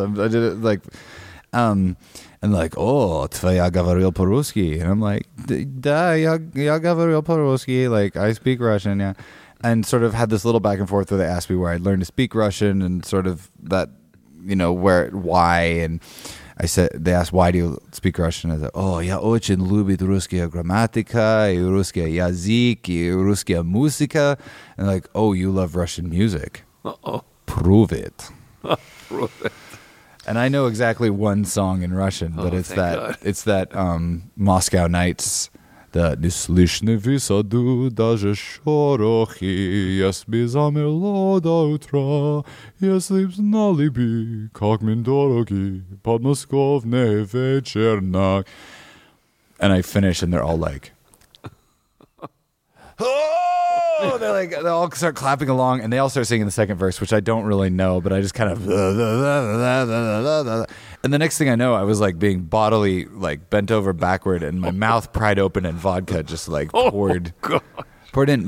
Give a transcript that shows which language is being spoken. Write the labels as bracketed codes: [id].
[en] I did it like, and like, "Oh, [ru] твоя говорил по-русски," [en] and I'm like, [ru] "Да, я говорил по-русски." [en] Like, I speak Russian, yeah. And sort of had this little back and forth where they asked me where I'd learned to speak Russian and sort of that, you know, where, why. And I said, they asked, why do you speak Russian? I said, oh, [ru] я очень любит русская грамматика, и русский язык, и русская музыка. [en] And they're like, oh, you love Russian music. Uh-oh. Prove it. Prove it. And I know exactly one song in Russian, but it's that Moscow Nights. [ru] That не слышны в саду даже шорохи, если замерло до утра, если б знали бы, как мы дороги, подмосковный вечернак. [en] And I finish, and they're all like, oh! They're like, they all start clapping along, and they all start singing the second verse, which I don't really know, but I just kind of, and the next thing I know, I was like being bodily, like bent over backward, and my mouth pried open, and vodka just like poured in.